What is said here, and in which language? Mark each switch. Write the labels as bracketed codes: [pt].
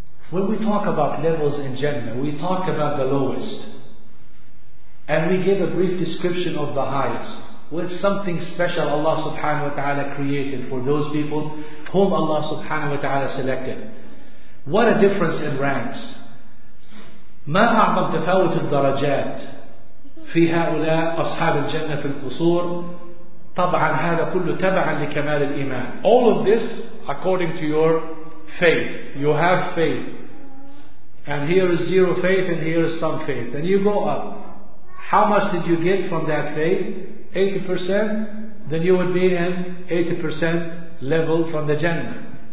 [en] When we talk about levels in Jannah, we talk about the lowest. And we give a brief description of the highest. With something special Allah subhanahu wa ta'ala created for those people whom Allah subhanahu wa ta'ala selected. What a difference in ranks. [ar] ما أعظم تفاوت الدرجات في هؤلاء أصحاب الجنة في القصور. طبعا هذا كله تبعا لكمال الإيمان. [en] All of this according to your faith. You have faith. And here is zero faith and here is some faith. And you go up. How much did you get from that faith? 80%? Then you would be in 80% level from the Jannah.